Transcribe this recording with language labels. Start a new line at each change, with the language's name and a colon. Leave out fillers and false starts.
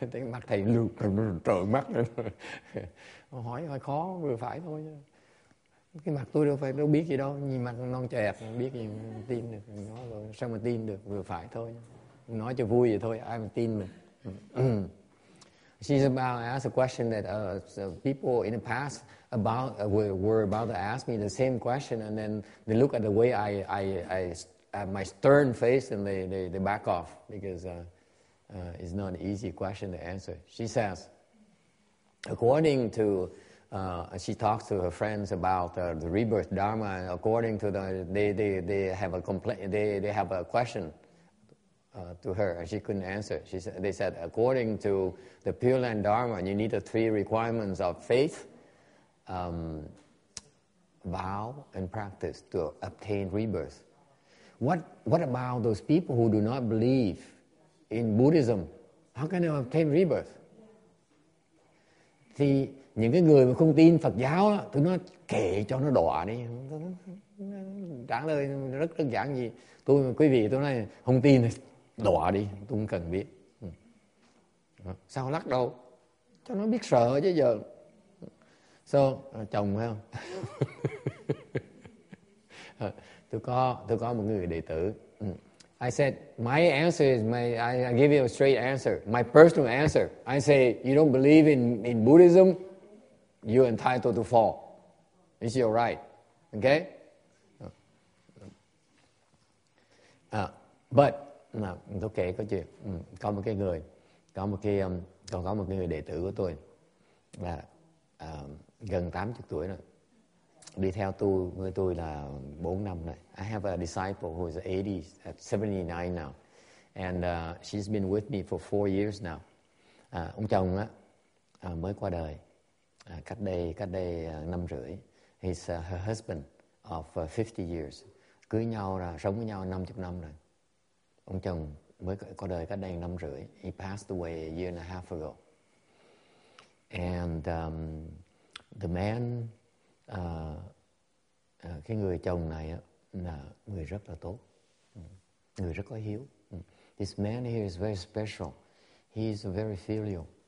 Vietnamese: Thấy mặt thầy trợn mắt nữa. Hỏi khó vừa phải thôi. Cái mặt tôi đâu phải đâu biết gì đâu, nhìn mặt non trẻ biết gì tin được, nói rồi sao mà tin được, vừa phải thôi, nói cho vui vậy thôi, ai mà tin mình.
English: She's about to ask a question that people in the past about were about to ask me the same question, and then they look at the way I at my stern face and they back off because it's not an easy question to answer. She says, according to she talks to her friends about the rebirth dharma. According to them, they have a complaint. They have a question to her, and she couldn't answer. They said, according to the Pure Land Dharma, you need the three requirements of faith, vow, and practice to obtain rebirth. What about those people who do not believe in Buddhism? How can they obtain rebirth?
Vietnamese: The những cái người mà không tin Phật giáo á, tôi nói kệ cho nó đọa đi, trả lời rất đơn giản gì, tôi quý vị tôi nói không tin thì đọa đi, tôi không cần biết. Sao lắc đầu, cho nó biết sợ chứ giờ. So, chồng phải không? tôi có một người đệ tử.
English: I said my answer is my I give you a straight answer, my personal answer. I say you don't believe in Buddhism, you're entitled to fall. It's your right. Okay?
Vietnamese: But, tôi kể có chuyện. Có một cái người, còn có một người đệ tử của tôi là gần 80 tuổi rồi. Đi theo tôi, người tôi là 4 năm rồi.
English: I have a disciple who is 79 now. And she's been with me for 4 years now.
Vietnamese: Ông chồng mới qua đời. Cách đây năm rưỡi.
English: He's her husband of 50 years.
Vietnamese: Cưới nhau rồi, sống với nhau 50 năm rồi. Ông chồng mới có đời cách đây 5 rưỡi.
English: He passed away a year and a half ago. And the man,
Vietnamese: cái người chồng này là người rất là tốt, người rất có hiếu.
English: This man here is very special. He is very filial.